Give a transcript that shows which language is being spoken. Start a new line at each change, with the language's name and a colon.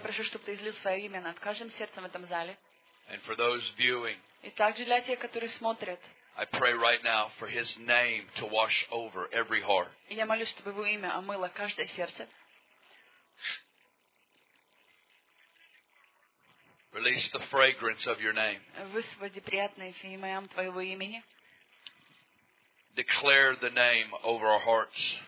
Russian: прошу, чтобы ты излил свое имя над каждым сердцем в этом зале.
English: And for those viewing,
Russian: и также для тех, которые смотрят.
English: I pray right now for His name to wash over every heart.
Russian: И я молюсь, чтобы Его имя омыло каждое сердце.
English: Release the fragrance of Your name.
Russian: Высвободи приятные феромоны Твоего имени.
English: Declare the name over our hearts.